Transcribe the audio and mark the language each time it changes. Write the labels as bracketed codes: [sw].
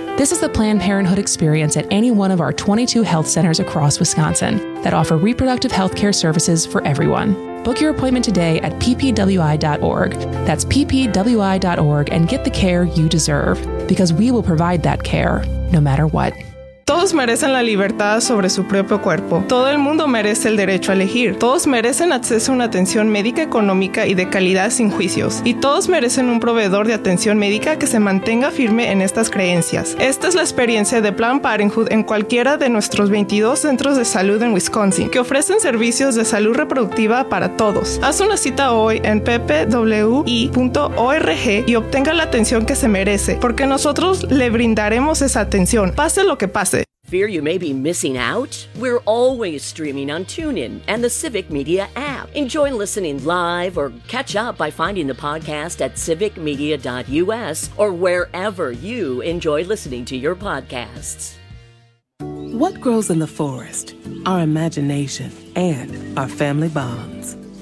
[en] This is the Planned Parenthood experience at any one of our 22 health centers across Wisconsin that offer reproductive healthcare services for everyone. Book your appointment today at ppwi.org. That's ppwi.org, and get the care you deserve, because we will provide that care no matter what. [es] Todos merecen la libertad sobre su propio cuerpo. Todo el mundo merece el derecho a elegir. Todos merecen acceso a una atención médica económica y de calidad sin juicios. Y todos merecen un proveedor de atención médica que se mantenga firme en estas creencias. Esta es la experiencia de Planned Parenthood en cualquiera de nuestros 22 centros de salud en Wisconsin, que ofrecen servicios de salud reproductiva para todos. Haz una cita hoy en ppwi.org y obtenga la atención que se merece, porque nosotros le brindaremos esa atención, pase lo que pase. [en] Fear you may be missing out? We're always streaming on TuneIn and the Civic Media app. Enjoy listening live or catch up by finding the podcast at civicmedia.us or wherever you enjoy listening to your podcasts. What grows in the forest? Our imagination and our family bonds.